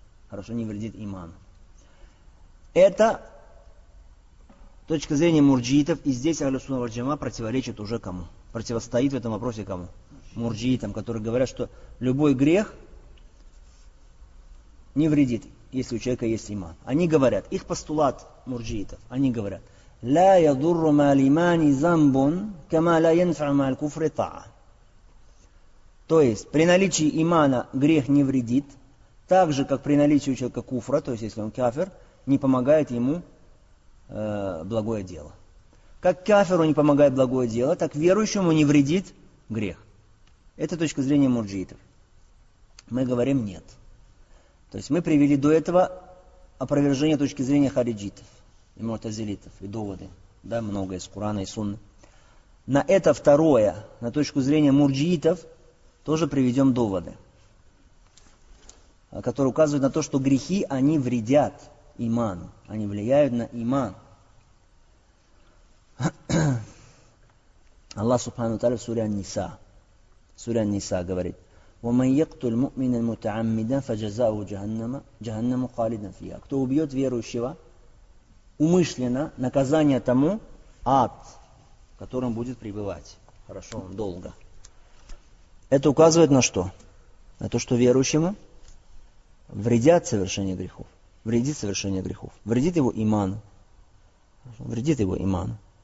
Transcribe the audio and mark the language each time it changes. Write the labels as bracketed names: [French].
[Russian] Хорошо, не вредит иману. Это точка зрения мурджиитов, и здесь Аль-Сунна валь-Джама противоречит уже кому? Противостоит в этом вопросе кому? Мурджиитам, которые говорят, что любой грех не вредит, если у человека есть иман. Они говорят, их постулат мурджиитов, они говорят, [Arabic] لا يضر مع الإيمان ذنب كما لا ينفع مع الكفر طاعة. [Russian] То есть при наличии имана грех не вредит, так же как при наличии у человека куфра, то есть если он кафир, не помогает ему благое дело. Как кафиру не помогает благое дело, так верующему не вредит грех. Это точка зрения мурджиитов. Мы говорим нет. То есть мы привели до этого опровержение точки зрения хариджитов и муртазилитов, и доводы, да, многое из Курана и Сунны. На это второе, на точку зрения мурджиитов, тоже приведем доводы, которые указывают на то, что грехи, они вредят иману, они влияют на иман. [Arabic] Аллах Субхану Тааля в суре Ан-Ниса говорит: وَمَنْ يَقْتُلْ مُؤْمِنًا مُتَعَمِّدًا فَجَزَاؤُهُ جَهَنَّمُ خَالِدًا فِيهَا. [Russian] Кто убьет верующего умышленно, наказание тому ад, в котором будет пребывать. Хорошо, он долго. Это указывает на что? На то, что верующему вредят совершение грехов. Вредит совершение грехов. Вредит его иман. Вредит его иман.